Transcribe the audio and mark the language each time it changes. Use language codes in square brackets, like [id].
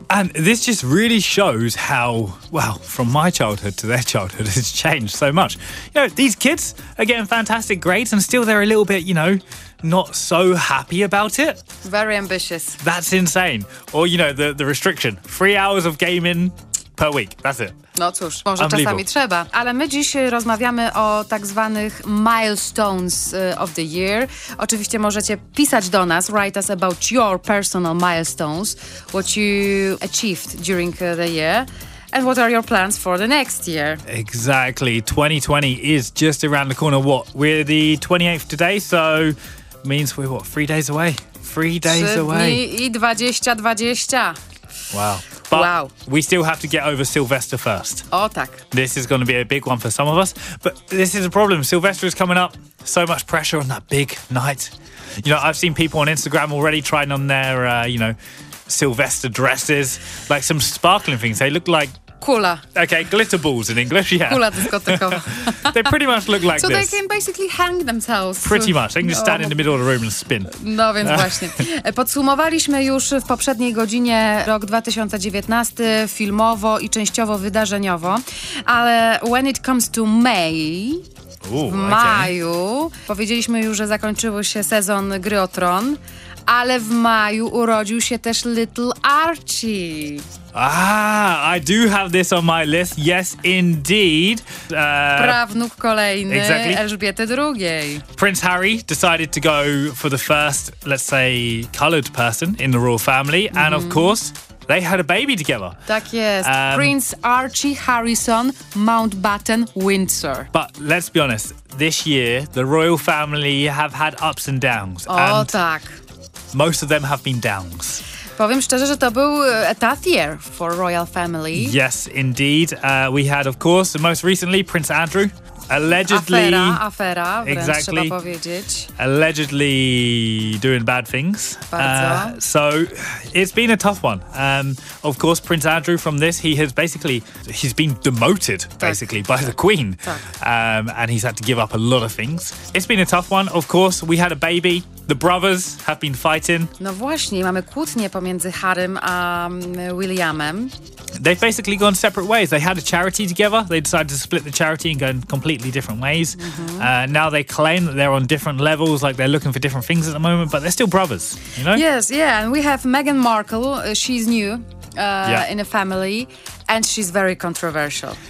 [en] And this just really shows how, well, from my childhood to their childhood, it's changed so much. You know, these kids are getting fantastic grades and still they're a little bit, you know, not so happy about it. Very ambitious. That's insane. Or, you know, the restriction, 3 hours of gaming per week, that's it. [pl] No cóż, może czasami trzeba. Ale my dziś rozmawiamy o tak zwanych [en] milestones of the year. [pl] Oczywiście możecie pisać do nas, [en] write us about your personal milestones, what you achieved during the year, and what are your plans for the next year. Exactly. 2020 is just around the corner. What? We're the 28th today, so means we're what? 3 days away? 3 days away. [pl] 3 dni i 2020. [en] Wow. But wow. We still have to get over Sylvester first. [pl] Oh, tak. [en] This is going to be a big one for some of us. But this is a problem. Sylvester is coming up. So much pressure on that big night. You know, I've seen people on Instagram already trying on their, Sylvester dresses. Like some sparkling things. They look like... [pl] Kula. [en] Okay, glitter balls in English, yeah. [pl] Kula dyskotykowa. [en] They pretty much look like so this. So they can basically hang themselves. Pretty much. They can just stand in the middle of the room and spin. [pl] No więc właśnie. Podsumowaliśmy już w poprzedniej godzinie rok 2019 filmowo i częściowo wydarzeniowo, ale [en] when it comes to May... Ooh, [pl] w maju powiedzieliśmy już, że zakończył się sezon Gry o Tron, ale w maju urodził się też Little Archie. [en] Ah, I do have this on my list. Yes, indeed. [pl] Prawnuk kolejny, [en] exactly. [pl] Elżbiety II. [en] Prince Harry decided to go for the first, let's say, colored person in the royal family. Mm-hmm. And of course, they had a baby together. [pl] Tak jest. Prince Archie Harrison Mountbatten Windsor. [en] But let's be honest, this year, the royal family have had ups and downs. Oh, and [pl] tak. [en] Most of them have been downs. [pl] Powiem szczerze, że to był [en] a tough year for royal family. Yes, indeed. We had, of course, most recently, Prince Andrew. Allegedly, [pl] afera, wręcz, [en] exactly. [pl] Trzeba powiedzieć. [en] Allegedly doing bad things. [pl] Bardzo. [en] So it's been a tough one. Of course, Prince Andrew from this, he's been demoted basically by the Queen. And he's had to give up a lot of things. It's been a tough one. Of course, we had a baby. The brothers have been fighting. [pl] No właśnie, mamy kłótnie pomiędzy Harrym a Williamem. [en] They've basically gone separate ways. They had a charity together. They decided to split the charity and go in completely different ways. Mm-hmm. Now they claim that they're on different levels, like they're looking for different things at the moment, but they're still brothers, you know? Yes, yeah. And we have Meghan Markle. She's new in a family, and she's very controversial.